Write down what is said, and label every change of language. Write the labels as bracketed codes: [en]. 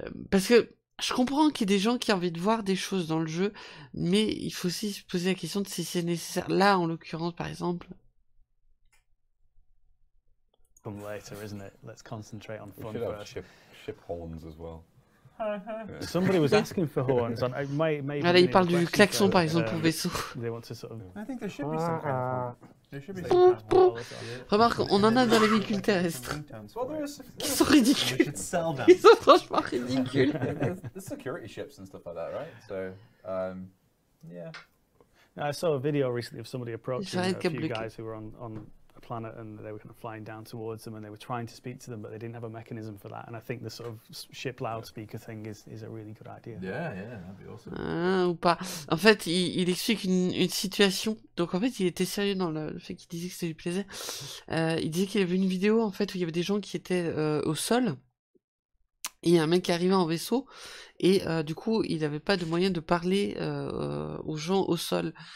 [fr] Parce que je comprends qu'il y ait des gens qui ont envie de voir des choses dans le jeu, mais il faut aussi se poser la question de si c'est nécessaire. Là, en l'occurrence, par exemple. [en] Come later, isn't it? Let's concentrate on fun. We should have ship horns as well. Somebody was asking for horns. Maybe [fr] là, il parle du klaxon, par exemple, pour vaisseau. [en] They want to sort of... I think there should be some kind of... Should [fr] be remarque, on en a dans les véhicules terrestres qui sont ridicules. Ils sont franchement ridicules. [en] There's security ships and stuff like that, right? So, yeah. I saw a video recently of somebody approaching a few guys who were on a planet and they were kind of flying down towards them and they were trying to speak to them, but they didn't have a mechanism for that. And I think the sort of ship loudspeaker thing is a really good idea. Yeah, yeah, that'd be awesome. [fr] Ou pas. En fait, il explique une situation. Donc en fait, il était sérieux dans le fait qu'il disait que ça lui plaisait. Il disait qu'il avait une vidéo en fait où il y avait des gens qui étaient au sol. Et un mec arrivait en vaisseau et du coup il n'avait pas de moyen de parler aux gens au sol.